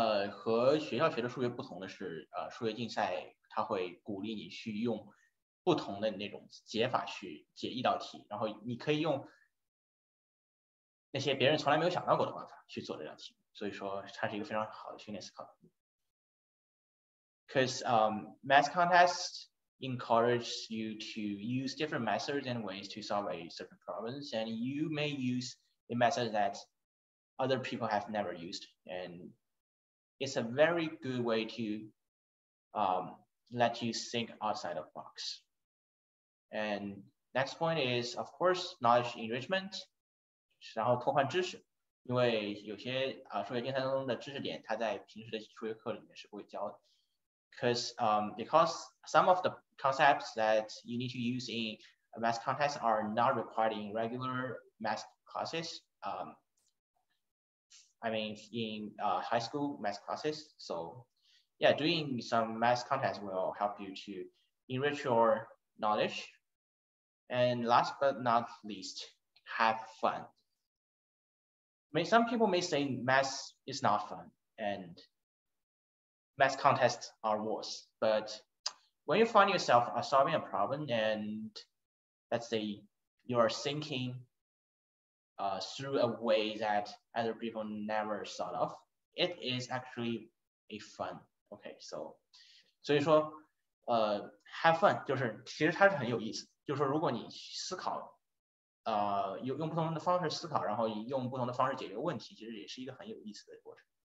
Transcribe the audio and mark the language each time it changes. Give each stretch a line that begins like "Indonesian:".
Chinese: 和学校学的数学不同的是，数学竞赛它会鼓励你去用不同的那种解法去解一道题，然后你可以用那些别人从来没有想到过的办法去做这道题，所以说它是一个非常好的训练思考能力。
English: Because math contests encourages you to use different methods and ways to solve a certain problem, and you may use a method that other people have never used, and it's a very good way to let you think outside of box. And next point is, of course, knowledge enrichment.
Chinese: 然后拓宽知识，因为有些数学竞赛中的知识点它在平时的数学课里面是不会教的。
English: Because some of the concepts that you need to use in a math contest are not required in regular math classes. In high school math classes. So yeah, doing some math contests will help you to enrich your knowledge. And last but not least, have fun. Some people may say math is not fun and math contests are worse, but when you find yourself solving a problem and let's say you are thinking through a way that other people never thought of, it is actually a fun. Okay, so
Chinese: 所以说
English: have fun
Chinese: 就是其实它是很有意思，就是说如果你思考用不同的方式思考，然后用不同的方式解决问题，其实也是一个很有意思的过程。